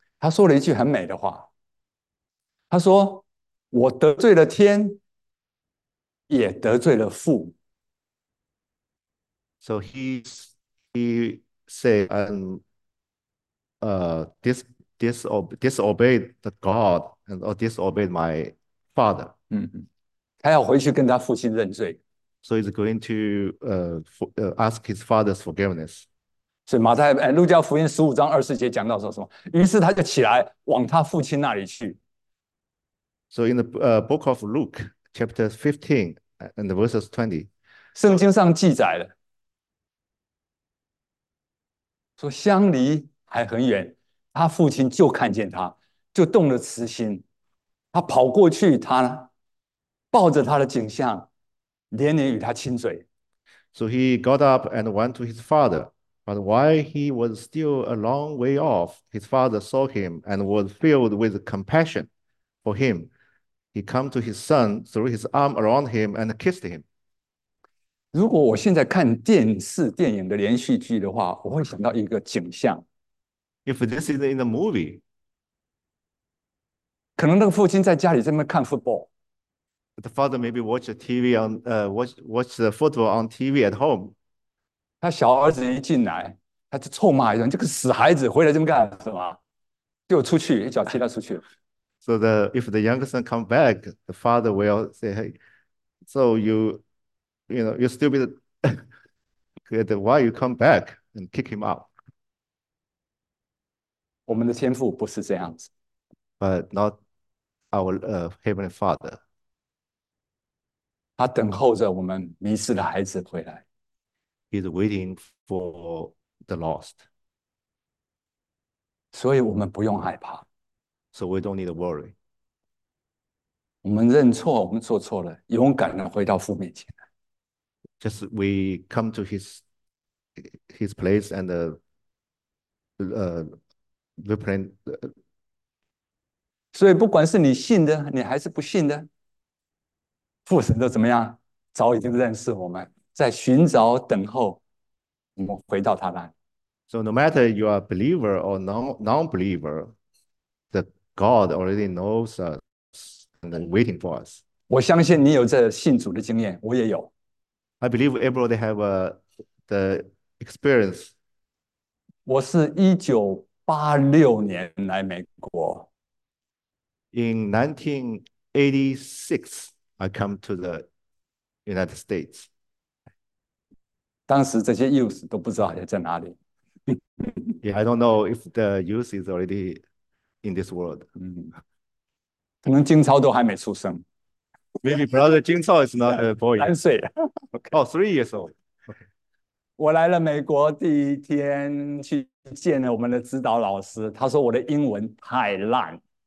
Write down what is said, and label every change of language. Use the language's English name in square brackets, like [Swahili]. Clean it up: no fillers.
[Chinese] 他说了一句很美的话，他说：“我得罪了天，也得罪了父。” [English] So he say and disobeyed the God and or disobeyed my. Father, [Chinese] 他要回去跟他父亲认罪。 [English] so he's going to ask his father's forgiveness. [Chinese] 所以马太哎，路加福音15章24节讲到说什么？于是他就起来往他父亲那里去。 [English] So in the book of Luke, chapter 15 and verses 20, [Chinese] 圣经上记载了，说乡离还很远，他父亲就看见他，就动了慈心，他跑过去，他呢？抱着他的景象，连连与他亲嘴。 [English] So he got up and went to his father. But while he was still a long way off, his father saw him and was filled with compassion for him. He came to his son, threw his arm around him, and kissed him. [Chinese] 如果我现在看电视电影的连续剧的话，我会想到一个景象。 [English] If this is in the movie, [Chinese] 可能那个父亲在家里在那边看 football。 [English] The father maybe watch the TV on, watch the football on TV at home. [Chinese] 他小儿子一进来，他就臭骂一声：“这个死孩子，回来这么干什么？给我出去！”一脚踢他出去。 [English] So the if the younger son come back, the father will say, "Hey, so you stupid kid, why you come back and kick him out?" [Chinese] 我们的天父不是这样子。 [English] But not our heavenly father. [Chinese] 他等候着我们迷失的孩子回来。 [English] He's waiting for the lost. [Chinese] 所以我们不用害怕。 [English] So we don't need to worry. [Chinese] 我们认错，我们做错了，勇敢地回到父面前来。 [English] Just we come to his place and repent. [Chinese] 所以不管是你信的，你还是不信的，父神都怎么样？早已经认识我们，在寻找等候，我们回到他那。 [English] So no matter you are a believer or non-believer, the God already knows us and is waiting for us. [Chinese] 我相信你有这信主的经验，我也有。 [English] I believe everybody have the experience. [Chinese] 我是1986年来美国。 [English] In 1986, I come to the United States. [Chinese] 当时这些 youth 都不知道在哪里。 [English] Yeah, I don't know if the youth is already in this world. [Chinese] 可能金超都还没出生。 [English] Maybe brother Jin Chao is not a boy. [Chinese] 3岁。 [English] Oh, 3 years old. Okay. [Chinese] 我来了美国第一天去见了我们的指导老师，他说我的英文太烂。